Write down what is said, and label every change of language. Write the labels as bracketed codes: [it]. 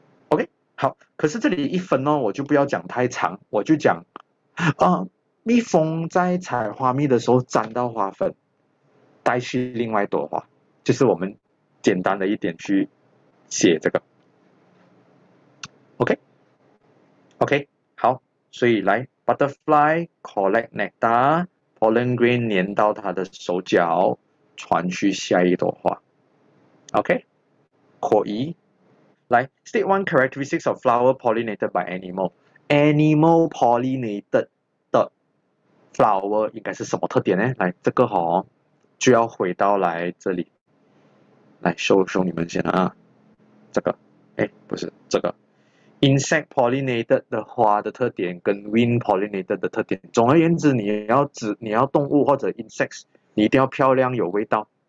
[zh] OK，好，可是这里一分呢，我就不要讲太长，我就讲，蜜蜂在采花蜜的时候沾到花粉，带去另外一朵花，就是我们简单的一点去写这个。 OK。 好，所以来， [en] butterfly collect nectar, [zh] pollen grain 粘到它的手脚，传去下一朵花。 [en] OK， [zh] 括一，来， [en] state one characteristics of flower pollinated by animal. [zh] Animal pollinated 的 flower 应该是什么特点呢？来，这个好，就要回到来这里，来，show 你们先啊，这个，哎，不是这个。 Insect pollinated 的花的特点跟 wind pollinated 的特点，总而言之，你要动物或者 insects，你一定要漂亮有味道。